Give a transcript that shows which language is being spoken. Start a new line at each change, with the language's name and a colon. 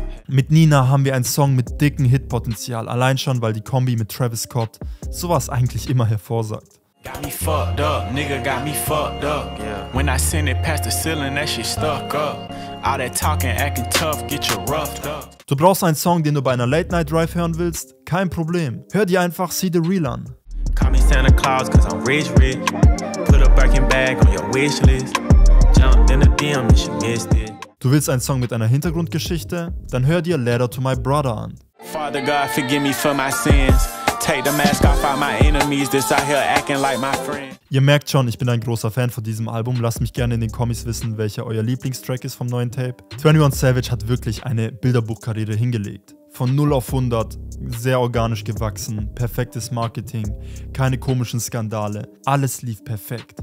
German: Mit Nina haben wir einen Song mit dickem Hitpotenzial. Allein schon, weil die Kombi mit Travis Scott sowas eigentlich immer hervorsagt.
English: Got me fucked up, nigga got me fucked up. Yeah. When I send it past the ceiling, that shit stuck up. All that talking, acting tough, get you roughed up.
German: Du brauchst einen Song, den du bei einer Late Night Drive hören willst? Kein Problem. Hör dir einfach See the Real an.
English: Call me Santa Claus, cause I'm rich, rich. Put a Birkin bag on your wish list. Jumped in the DM and she missed it.
German: Du willst einen Song mit einer Hintergrundgeschichte? Dann hör dir Letter to My Brother an.
English: Father God, forgive me for my sins. Take the mask off of my enemies, this out here acting like my friend.
German: Ihr merkt schon, ich bin ein großer Fan von diesem Album. Lasst mich gerne in den Kommis wissen, welcher euer Lieblingstrack ist vom neuen Tape. 21 Savage hat wirklich eine Bilderbuchkarriere hingelegt. Von 0 auf 100, sehr organisch gewachsen, perfektes Marketing, keine komischen Skandale, alles lief perfekt.